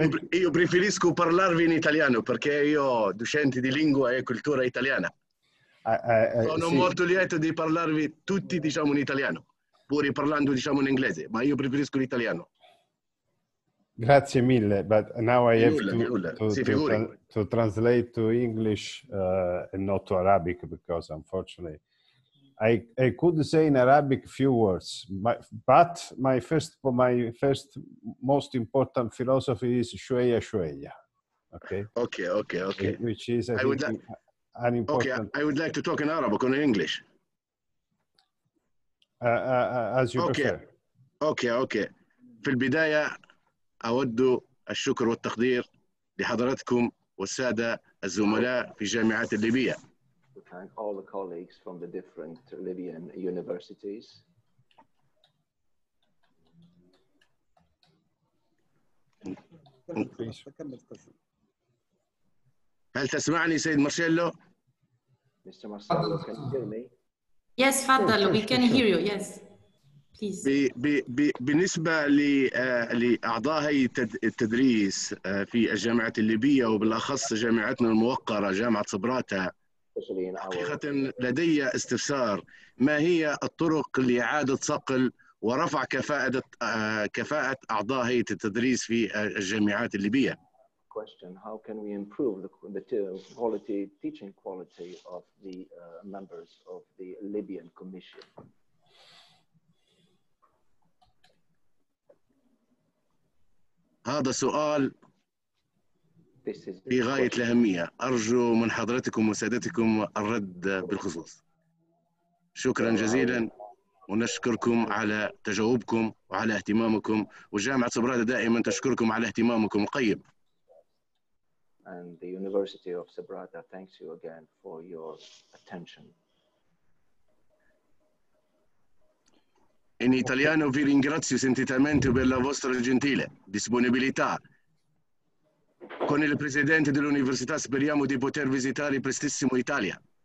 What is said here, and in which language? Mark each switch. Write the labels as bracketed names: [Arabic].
[Italian] Io preferisco parlarvi in italiano perché io docente di lingua e cultura italiana. Sono molto lieto di parlarvi tutti, diciamo, in italiano, pur parlando, diciamo, in inglese, ma io preferisco l'italiano. Grazie mille, [English] but now I have to translate to English and not to Arabic, because unfortunately I could say in Arabic a few words, but my first most important philosophy is Shueya Shueya. Okay. Okay. Okay. Okay. Which is an important. Okay. I would like to talk in Arabic or in English. As you okay. prefer. Okay. Okay. [Arabic] في البداية أود الشكر والتقدير لحضراتكم والسادة الزملاء في الجامعات الليبية. [English] Thank all the colleagues from the different Libyan universities. [Arabic] هل تسمعني سيد مارشيلو؟ [English] Mr. Marcello, can you hear me? Yes, فضل, we can hear you, yes. Please. [Arabic] بالنسبة لأعضاء هيئة التدريس في الجامعة الليبية وبالأخص جامعتنا الموقرة جامعة صبراتة حقيقة لدي استفسار، ما هي الطرق لإعادة صقل ورفع كفاءة أعضاء هيئة التدريس في الجامعات الليبية؟ [English] Question: How can we improve the quality, teaching quality of the members of the Libyan Commission? [Arabic] هذا سؤال في غاية الأهمية. أرجو من حضرتكم وسادتكم الرد بالخصوص. شكرا جزيلا ونشكركم على تجاوبكم وعلى اهتمامكم، وجامعة صبراتة دائما تشكركم على اهتمامكم القيم. [English] And the University of Sabrata thanks you again for your attention. [Italian] In italiano vi ringrazio sentitamente per la vostra gentile disponibilità. Con il presidente dell'università speriamo di poter visitare prestissimo Italia.